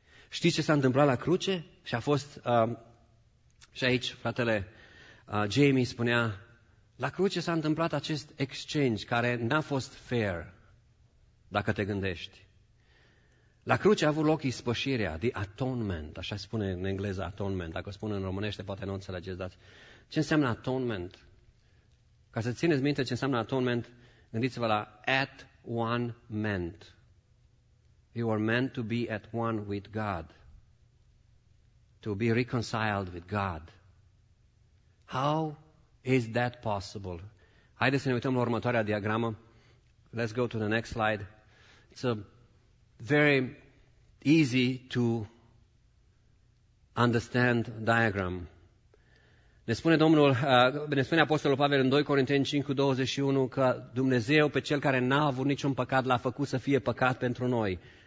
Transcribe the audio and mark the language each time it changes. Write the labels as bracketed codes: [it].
[ro] Știți ce s-a întâmplat la cruce? Și a fost, și aici, fratele Jamie spunea, la cruce s-a întâmplat acest exchange care n-a fost fair, dacă te gândești. La cruce a avut loc ispășirea, the atonement, așa spune în engleză atonement, dacă o spun în românește poate nu înțelegeți, dar ce înseamnă atonement? Ca să țineți minte ce înseamnă atonement, gândiți-vă la [en] at one meant. You are meant to be at one with God, to be reconciled with God. How is that possible? [ro] Haideți să ne uităm la următoarea diagramă. [en] Let's go to the next slide. It's a very easy to understand diagram. [ro] Ne spune Domnul, ne spune Apostolul Pavel în 2 Corinteni 5:21 că Dumnezeu, pe cel care n-a avut niciun păcat, l-a făcut să fie păcat pentru noi.